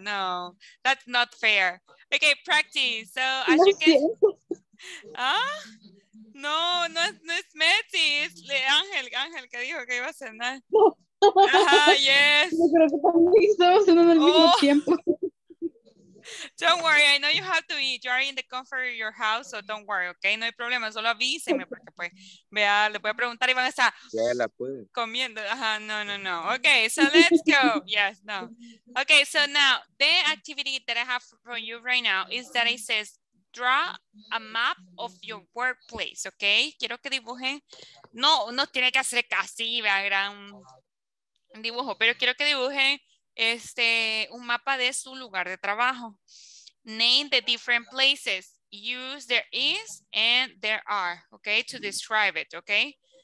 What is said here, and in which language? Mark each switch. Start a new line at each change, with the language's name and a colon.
English: No, that's not fair. Okay, practice. So, as no you can. Ah.
Spanish: No, no, no es Messi, es Ángel, Ángel que dijo que iba a cenar.
English: Ajá, yes.
Spanish: No creo que también estamos cenando al mismo tiempo.
English: Don't worry, I know you have to eat. You are in the comfort of your house, so don't worry, okay?
Spanish: No hay problema, solo avíseme porque pues, vea, le voy a preguntar y van a estar comiendo.
English: Ajá, no, no, no. Okay, so let's go. Yes, no. Okay, so now, the activity that I have for you right now is that it says, draw a map of your workplace, ok?
Spanish: Quiero que dibujen, no, no tiene que hacer casi, vea, gran dibujo, pero quiero que dibujen un mapa de su lugar de trabajo.
English: Name the different places. Use there is and there are, ok, to describe it, ok?